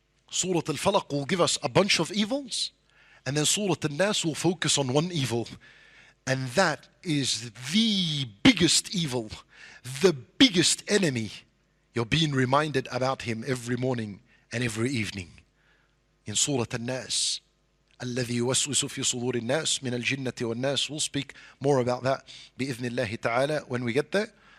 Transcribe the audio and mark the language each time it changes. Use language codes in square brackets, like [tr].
[en] Surah Al-Falaq will give us a bunch of evils. And then Surah Al-Nas will focus on one evil. And that is the biggest evil, the biggest enemy. You're being reminded about him every morning and every evening. In Surah An-Nas, [ar] الَّذِي يُوَسْوِسُ فِي صُدُورِ النَّاسِ مِنَ الْجِنَّةِ وَالنَّاسِ. [en] We'll speak more about that [ar] بِإِذْنِ اللَّهِ تَعَالَى [en] when we get there.